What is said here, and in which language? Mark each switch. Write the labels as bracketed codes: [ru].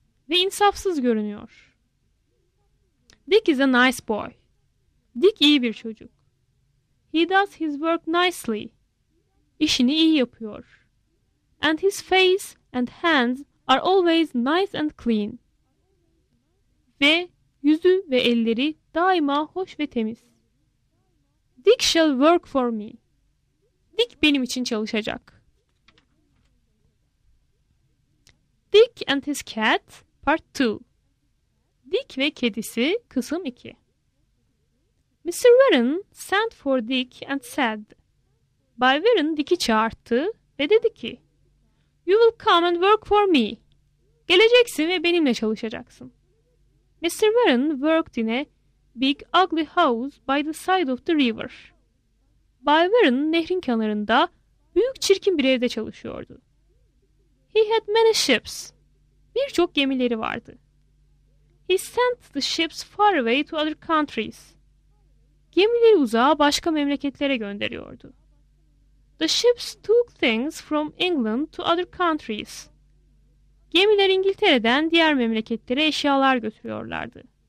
[tr] Ve insafsız görünüyor. [en] Dick is a nice boy. [tr] Dick iyi bir çocuk. [en] He does his work nicely. [tr] İşini iyi yapıyor. [en] And his face and hands are always nice and clean. [tr] Ve yüzü ve elleri daima hoş ve temiz. [en] Dick shall work for me. [tr] Dick benim için çalışacak. [en] Dick and his cat, part 2. [tr] Dick ve kedisi, kısım 2. [en] Mr. Warren sent for Dick and said, [tr] Bay Warren Dick'i çağırttı ve dedi ki, [en] You will come and work for me. [tr] Geleceksin ve benimle çalışacaksın. Mr. [en] Warren worked in a big ugly house by the side of the river. [tr] Bay Warren nehrin kenarında büyük çirkin bir evde çalışıyordu. [en] He had many ships. [tr] Birçok gemileri vardı. [en] He sent the ships far away to other countries. [tr] Gemileri uzağa başka memleketlere gönderiyordu. [en] The ships took things from England to other countries. [tr] Gemiler İngiltere'den diğer memleketlere eşyalar götürüyorlardı.